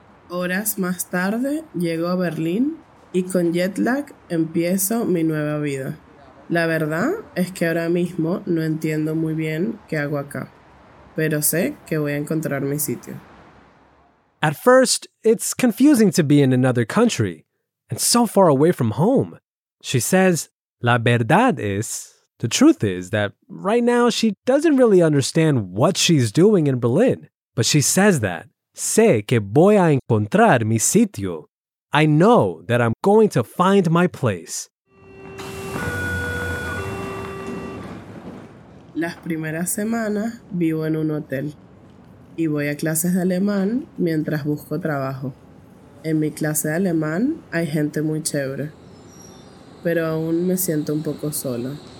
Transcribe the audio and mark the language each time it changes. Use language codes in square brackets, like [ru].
[es] Horas más tarde, llego a Berlín y con jet lag empiezo mi nueva vida. La verdad es que ahora mismo no entiendo muy bien qué hago acá, pero sé que voy a encontrar mi sitio. [en] At first, it's confusing to be in another country and so far away from home. She says, [es] la verdad es, [en] the truth is that right now she doesn't really understand what she's doing in Berlin, but she says that, [es] sé que voy a encontrar mi sitio. [en] I know that I'm going to find my place. [es] Las primeras semanas vivo en un hotel y voy a clases de alemán mientras busco trabajo. En mi clase de alemán hay gente muy chévere, pero aún me siento un poco sola.